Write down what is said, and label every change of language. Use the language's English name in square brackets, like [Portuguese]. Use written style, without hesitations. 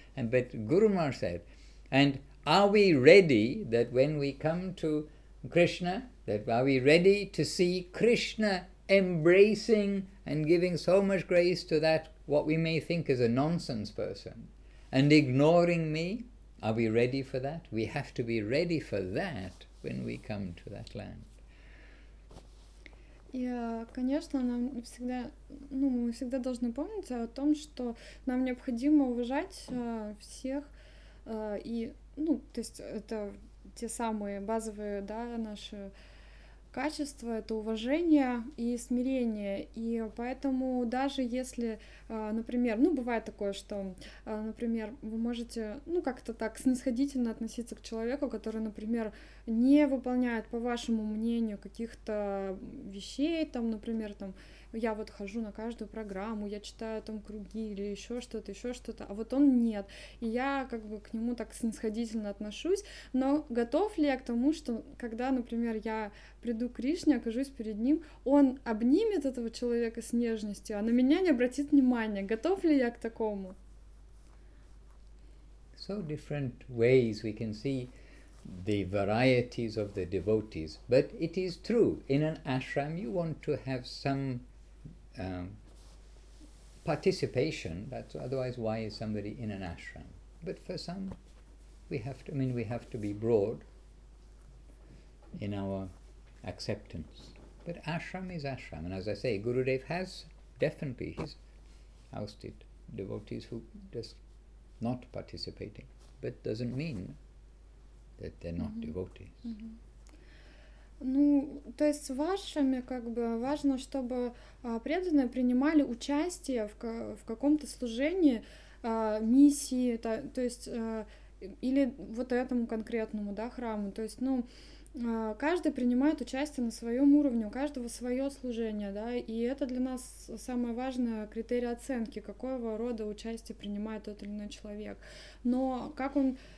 [English] But Guru Maharaj said, and are we ready that when we come to Krishna, that are we ready to see Krishna embracing and giving so much grace to that, what we may think is a nonsense person, and ignoring me? Are we ready for that? We have to be ready for that when we come to that land. [Russian] И, конечно, нам всегда, ну, мы всегда должны помнить о том, что нам необходимо уважать всех, и, ну, то есть это те самые базовые, да, наши качество — это уважение и смирение. И поэтому даже если, например, ну, бывает такое, что, например, вы можете, ну, как-то так снисходительно относиться к человеку, который, например, не выполняет, по вашему мнению, каких-то вещей, там, например, там, я вот хожу на каждую программу, я читаю там круги или еще что-то, а вот он нет. И я как бы к нему так снисходительно отношусь, но готов ли я к тому, что когда, например, я приду к Кришне, окажусь перед ним, он обнимет этого человека с нежностью, а на меня не обратит внимания. Готов ли я к такому? [English] So different ways we can see the varieties of the devotees, but it is true, in an ashram you want to have some participation, that's otherwise why is somebody in an ashram? But for some, we have to be broad in our acceptance. But ashram is ashram, and as I say, Gurudev has definitely, he's ousted devotees who just not participating, but doesn't mean that they're not mm-hmm. devotees. Mm-hmm. [Russian] Ну, то есть с вашими, как бы, важно, чтобы преданные принимали участие в каком-то служении, миссии, то есть, или вот этому конкретному, да, храму, то есть, ну, каждый принимает участие на своем уровне, у каждого свое служение, да, и это для нас самое важное критерий оценки, какого рода участие принимает тот или иной человек, но как он...